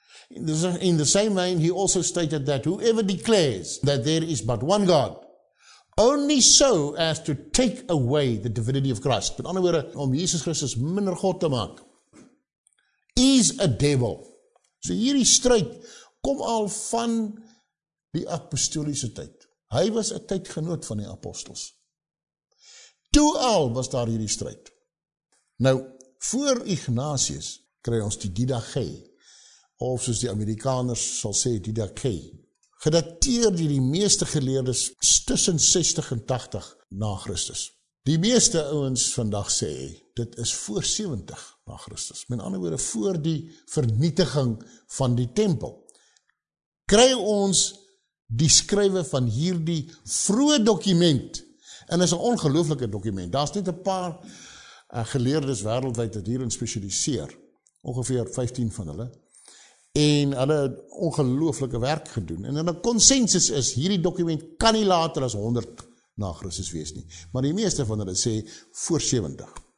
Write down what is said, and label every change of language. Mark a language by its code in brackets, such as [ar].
[en] In the same vein, he also stated that whoever declares that there is but one God, only so as to take away the divinity of Christ, [af] met ander woorde, om Jesus Christus minder God te maak, [en] is a devil. [af] So hierdie stryd kom al van die apostoliese tyd. Hy was 'n tydgenoot van die apostels. Toe al was daar hierdie stryd. Nou, voor Ignatius kry ons die Didache, of soos die Amerikaners sal sê, Didache, gedateer die meeste geleerdes tussen 60 en 80 na Christus. Die meeste ouens vandag sê, dit is voor 70 na Christus. Met ander woorde, voor die vernietiging van die tempel. Kry ons die skrywe van hierdie vroeë dokument, en is 'n ongelooflike dokument. Daar is net 'n paar geleerdes wêreldwyd wat hierin spesialiseer, ongeveer 15 van hulle, en hulle het ongelooflike werk gedoen, en in 'n consensus is, hierdie dokument kan nie later as 100 na Christus wees nie, maar die meeste van hulle sê, voor 70.